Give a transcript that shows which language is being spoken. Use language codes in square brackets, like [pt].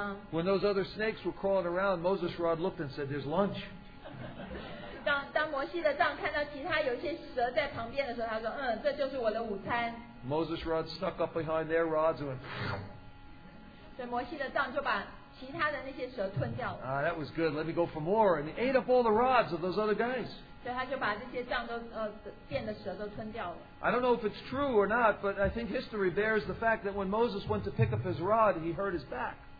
[en] When those other snakes were crawling around, Moses' rod looked and said, there's lunch. [zh] 当摩西的杖看到其他有些蛇在旁边的时候，他说，嗯，这就是我的午餐。 [en] Moses' rod stuck up behind their rods and went. [zh] 所以摩西的杖就把其他的那些蛇吞掉了。 [en] That was good. Let me go for more. And he ate up all the rods of those other guys. [zh] 所以他就把这些杖都变的蛇都吞掉了。 [en] I don't know if it's true or not, but I think history bears the fact that when Moses went to pick up his rod, he hurt his back.